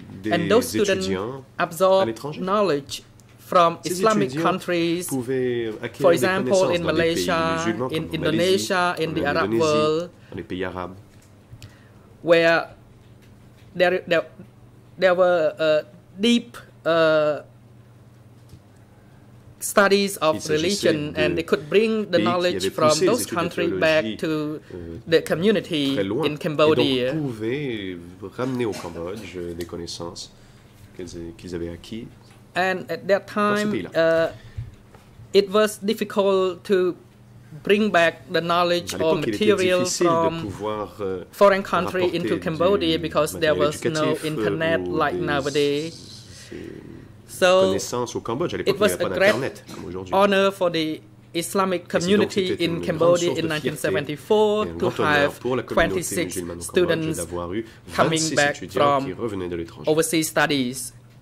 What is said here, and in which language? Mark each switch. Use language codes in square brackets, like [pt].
[en] And those students absorbed knowledge from Islamic countries, for example, in Malaysia, in Indonesia, in the Arab world, where there were deep studies of religion, and they could bring the knowledge from those countries back to the community in Cambodia. [fr] Et donc pouvaient ramener au Cambodge des connaissances qu'ils avaient acquis. [en] And at that time, it was difficult to bring back the knowledge or material from foreign country into Cambodia because there was no internet like nowadays. So it was a great honor for the Islamic community in Cambodia in 1974 to have 26 students coming back from overseas studies.